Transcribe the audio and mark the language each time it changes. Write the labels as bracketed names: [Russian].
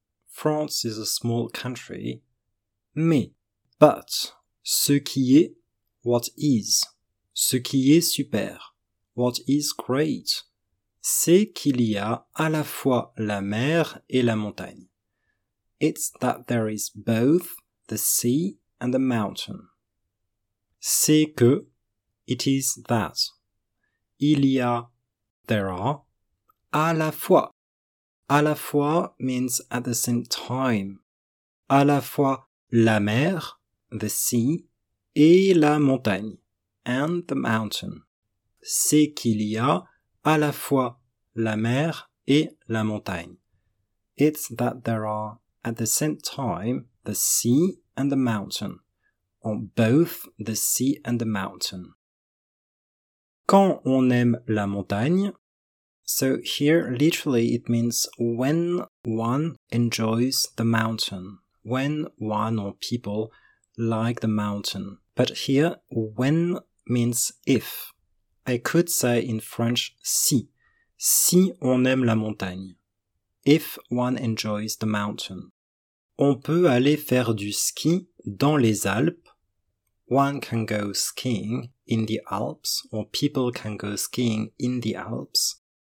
[English] France is a small country. [French] Mais, but, ce qui est, [English] what is, [French] ce qui est super, [English] what is great, [French] c'est qu'il y a à la fois la mer et la montagne. [English] It's that there is both the sea and the mountain. [French] C'est que, [English] it is that, [French] il y a, [English] there are, [French] à la fois. À la fois [English] means at the same time. [French] À la fois la mer, [English] the sea, [French] et la montagne, [English] and the mountain. [French] C'est qu'il y a à la fois la mer et la montagne. [English] It's that there are at the same time the sea and the mountain, or both the sea and the mountain. [French] Quand on aime la montagne, [English] so here literally it means when one enjoys the mountain, when one or people like the mountain. But here, when means if. I could say in French, si. [French] Si on aime la montagne. [English] If one enjoys the mountain. [French] On peut aller faire du ski dans les Alpes. [English] One can go skiing in the Alps, or people can go skiing in the Alps.